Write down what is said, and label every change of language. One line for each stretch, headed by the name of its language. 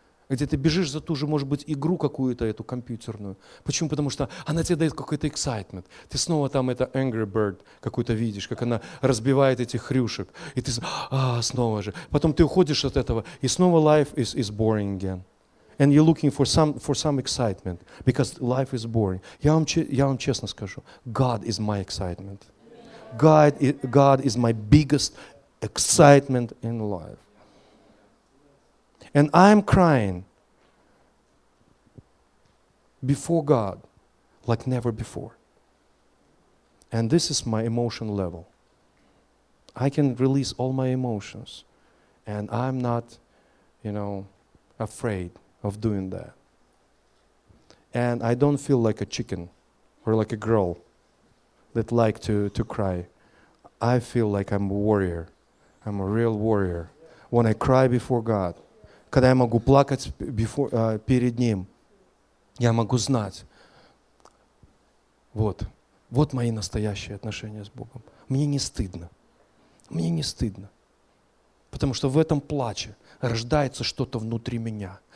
Russian: Где ты бежишь за ту же, может быть, игру какую-то эту компьютерную. Почему? Потому что она тебе дает какой-то excitement. Ты снова там это Angry Bird какую-то видишь, как она разбивает этих хрюшек. И ты снова же. Потом ты уходишь от этого, и снова
English: life is boring again. And you're looking for some excitement, because life is boring.
Russian: Я вам честно скажу,
English: God is my excitement. God is my biggest excitement in life. And I'm crying before God like never before. And this is my emotion level. I can release all my emotions. And I'm not, you know, afraid of doing that. And I don't feel like a chicken or like a girl that like to cry. I feel like I'm a warrior. I'm a real warrior. When I cry before God,
Russian: когда я могу плакать перед Ним, я могу знать, вот мои настоящие отношения с Богом. Мне не стыдно, потому что в этом плаче рождается что-то внутри меня.